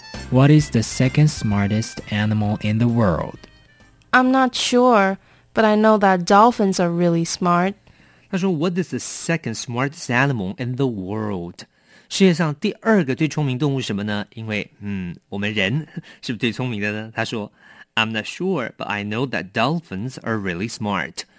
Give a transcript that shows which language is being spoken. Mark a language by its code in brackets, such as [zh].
[en] What is the second smartest animal in the world? I'm not sure, but I know that dolphins are really smart. [zh] 他说 [en] What is the second smartest animal in the world? [zh] 世界上第二个最聪明动物什么呢？因为我们人是不是最聪明的呢？他说 [en] I'm not sure, but I know that dolphins are really smart.